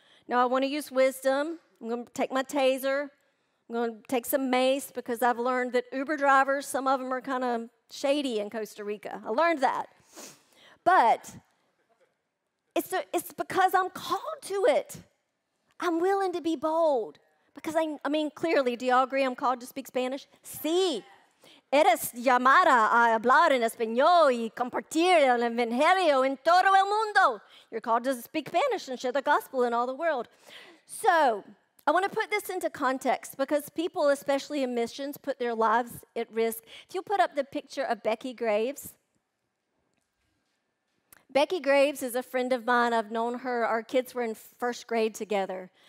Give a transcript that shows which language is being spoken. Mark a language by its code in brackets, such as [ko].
[en] Now, I want to use wisdom. I'm going to take my taser. I'm going to take some mace because I've learned that Uber drivers, some of them are kind of shady in Costa Rica. I learned that. But it's because I'm called to it. I'm willing to be bold. Because, I mean, clearly, do y'all agree I'm called to speak Spanish? [es] Sí. Eres llamada a hablar en español y compartir el evangelio en todo el mundo. [en] You're called to speak Spanish and share the gospel in all the world. So I want to put this into context because people, especially in missions, put their lives at risk. If you'll put up the picture of Becky Graves. Becky Graves is a friend of mine. I've known her. Our kids were in first grade together.